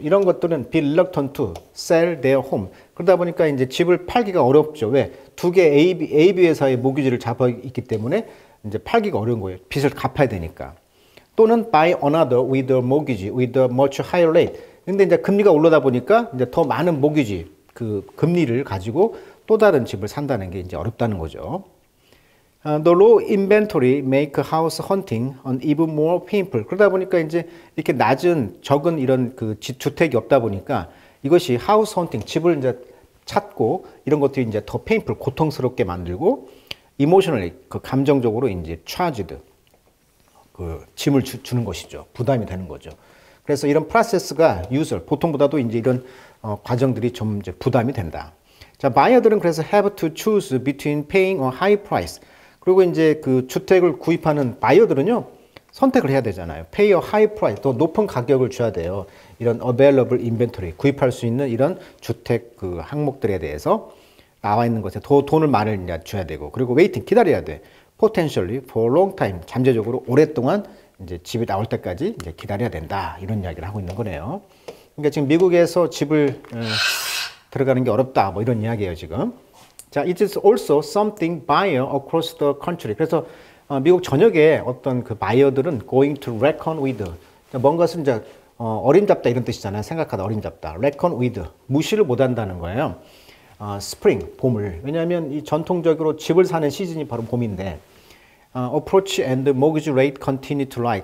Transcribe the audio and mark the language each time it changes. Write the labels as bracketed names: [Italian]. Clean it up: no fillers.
[Korean] 이런 것들은 [English] be reluctant to sell their home. [Korean] 그러다 보니까 이제 집을 팔기가 어렵죠. 왜? 두 개의 AB 회사의 모기지를 잡아 있기 때문에 이제 팔기가 어려운 거예요. 빚을 갚아야 되니까. 또는 [English] buy another with a mortgage with a much higher rate. [Korean] 근데 이제 금리가 올라다 보니까 이제 더 많은 모기지, 그 금리를 가지고 또 다른 집을 산다는 게 이제 어렵다는 거죠. [English] The low inventory make house hunting an even more painful. [Korean] 그러다 보니까 이제 이렇게 낮은 적은 이런 그 주택이 없다 보니까 이것이 house hunting, 집을 이제 찾고 이런 것들이 이제 더 painful, 고통스럽게 만들고 emotionally 그 감정적으로 이제 charged 그 짐을 주는 것이죠. 부담이 되는 거죠. 그래서 이런 process가 user 보통보다도 이제 이런 과정들이 좀 이제 부담이 된다. [English] 자, buyer들은 [Korean] 그래서 [English] have to choose between paying a high price. [Korean] 그리고 이제 그 주택을 구입하는 바이어들은요, 선택을 해야 되잖아요. [English] Pay a high price, [Korean] 더 높은 가격을 줘야 돼요. 이런 available inventory, 구입할 수 있는 이런 주택 그 항목들에 대해서 나와 있는 것에 더 돈을 많이 줘야 되고, 그리고 웨이팅 기다려야 돼. [English] Potentially for long time, [Korean] 잠재적으로 오랫동안 이제 집이 나올 때까지 이제 기다려야 된다. 이런 이야기를 하고 있는 거네요. 그러니까 지금 미국에서 집을 들어가는 게 어렵다. 뭐 이런 이야기예요, 지금. [English] 자, it is also something buyer across the country. [Korean] 그래서 미국 전역에 어떤 그 바이어들은 [English] going to reckon with. [Korean] 뭔가를 이제 어림잡다 이런 뜻이잖아요. 생각하다, 어림잡다. reckon with. 무시를 못 한다는 거예요. spring, 봄을. 왜냐하면 이 전통적으로 집을 사는 시즌이 바로 봄인데, [English] approach and mortgage rate continue to rise.